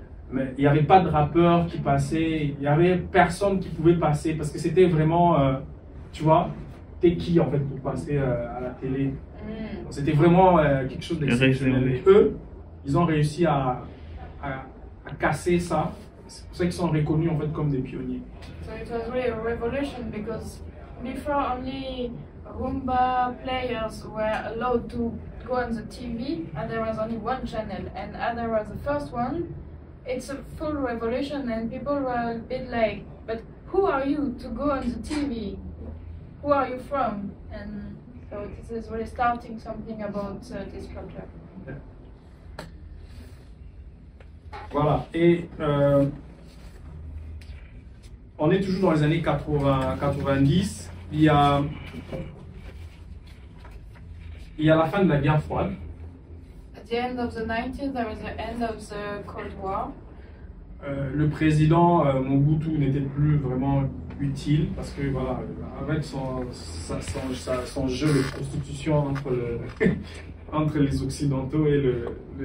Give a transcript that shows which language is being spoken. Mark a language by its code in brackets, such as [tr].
[fr] Mais il n'y avait pas de rappeurs qui passaient, il n'y avait personne qui pouvait passer parce que c'était vraiment, tu vois, t'es qui en fait pour passer à la télé. Donc, c'était vraiment quelque chose d'exceptionnel. Et eux, ils ont réussi à casser ça. C'est pour ça qu'ils sont reconnus en fait comme des pionniers. [en] So it was really a revolution because before only rumba players were allowed to go on the TV and there was only one channel and Anna was the first one. It's a full revolution and people were a bit like, but who are you to go on the TV? Who are you from? And so this is really starting something about this culture. [fr] Voilà, et on est toujours dans les années 80-90, il y a la fin de la guerre froide. [en] At the end of the 90s, there was the end of the Cold War. [fr] Le président Mobutu n'était plus vraiment utile, parce que voilà, avec son jeu de prostitution entre le... entre les Occidentaux et le